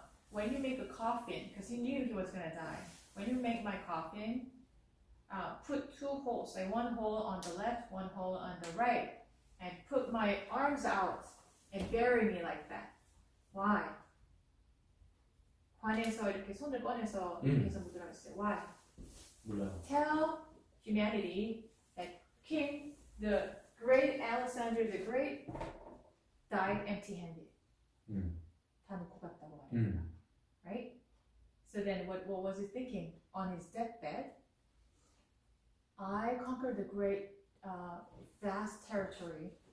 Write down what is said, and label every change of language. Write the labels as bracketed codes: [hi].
[en] When you make a coffin, because he knew he was gonna die. When you make my coffin, put two holes, like one hole on the left, one hole on the right, and put my arms out and bury me like that. Why? [ko] 관에서 이렇게 손을 꺼내서 이렇게서 묻으라고 했어요. [en] Why? [ko] 몰라요. [en] Tell humanity that King, the great Alexander the Great, died empty-handed. [ko] 다 놓고 갔다고 말했다. [en] Right? So then what was he thinking? On his deathbed, I conquered the great vast territory.